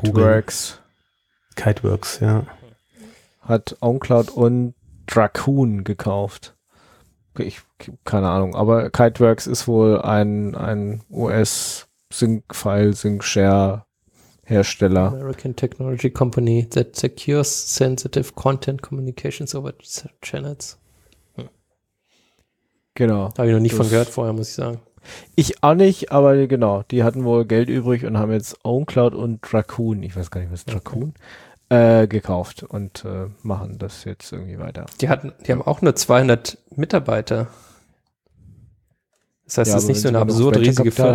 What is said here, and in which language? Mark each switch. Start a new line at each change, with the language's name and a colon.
German: Kiteworks. Kiteworks, ja. Hat OwnCloud und Dracoon gekauft. Ich keine Ahnung, aber Kiteworks ist wohl ein US-Sync-File-Sync-Share-Hersteller.
English: American Technology Company that secures sensitive content communications over channels.
German: Genau. Habe ich noch nicht von gehört vorher, muss ich sagen. Ich auch nicht, aber genau, die hatten wohl Geld übrig und haben jetzt OwnCloud und Dracoon, ich weiß gar nicht, was Dracoon, gekauft und machen das jetzt irgendwie weiter. Die haben auch nur 200 Mitarbeiter. Das heißt, ja, das ist nicht so eine absurd riesige Firma.